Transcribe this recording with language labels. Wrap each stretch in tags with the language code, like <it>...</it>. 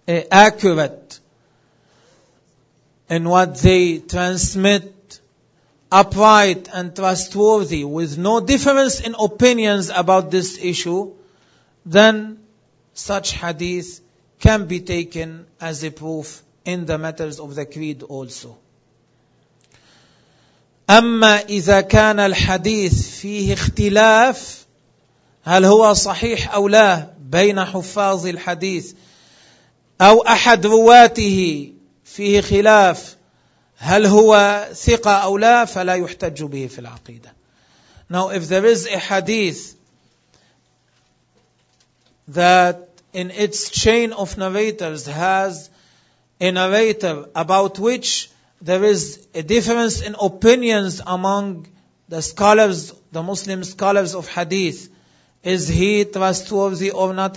<en>accurate in what they transmit, upright and trustworthy, with no difference in opinions about this issue, then such hadith can be taken as a proof in the matters of the creed also.</en> <ar>أما إذا كان الحديث فيه اختلاف هل هو صحيح أو لا بين حفاظ الحديث أو أحد رواته فيه خلاف هل هو ثقة أو لا فلا يحتج به في العقيدة.</ar> <en>Now if there is a hadith that in its chain of narrators has a narrator about which there is a difference in opinions among the scholars, the Muslim scholars of hadith, is he trustworthy or not?</en>